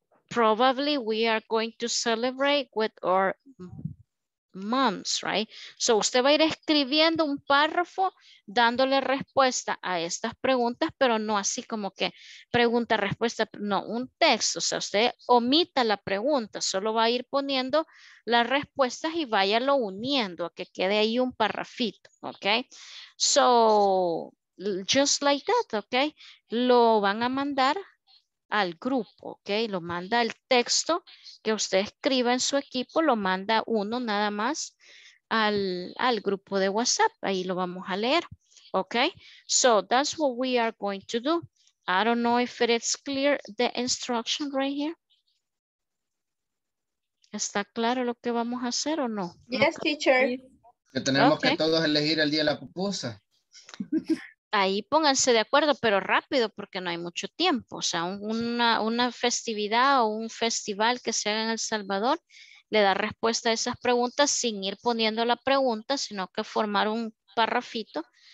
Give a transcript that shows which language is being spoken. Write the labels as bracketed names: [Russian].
[English] Probably we are going to celebrate with our moms, right? [Spanish] So usted va a ir escribiendo un párrafo dándole respuesta a estas preguntas, pero no así como que pregunta, respuesta, no, un texto. O sea, usted omita la pregunta, solo va a ir poniendo las respuestas y váyalo uniendo a que quede ahí un párrafito, ¿ok? [English] So, just like that, [Spanish] ¿ok? Lo van a mandar al grupo, ¿ok? Lo manda el texto que usted escriba en su equipo, lo manda uno nada más al grupo de WhatsApp, ahí lo vamos a leer, ¿ok? [English] So that's what we are going to do. I don't know if it's clear the instruction right here. [Spanish] ¿Está claro lo que vamos a hacer o no? [English] Yes, teacher. [Spanish] Que tenemos okay. Que todos elegir el día de la pupusa. Ahí pónganse de acuerdo, pero rápido, porque no hay mucho tiempo. O sea, una festividad o un festival que se haga en El Salvador le da respuesta a esas preguntas sin ir poniendo la pregunta, sino que formar un párrafito.